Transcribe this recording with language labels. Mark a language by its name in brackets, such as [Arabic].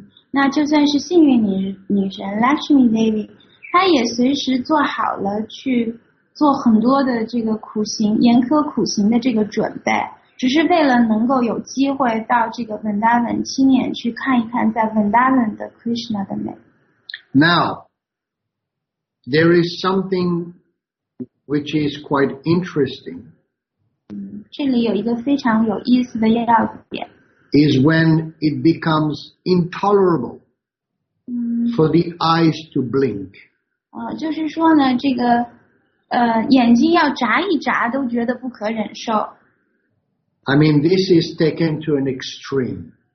[Chinese] 那就算是幸运女神 Lakshmi Devi, 她也随时做好了去做很多的这个苦行，严苛苦行的这个准备，只是为了能够有机会到这个 Vrindavan 亲眼去看一看在 Vrindavan 的 Krishna 的美。 [English] Now, there is something which is quite interesting. [Chinese] 这里有一个非常有意思的要点。 [English] Is when it becomes intolerable for the eyes to blink. [Chinese] 就是说呢，这个眼睛要眨一眨都觉得不可忍受。 [English] I mean, this is taken to an extreme.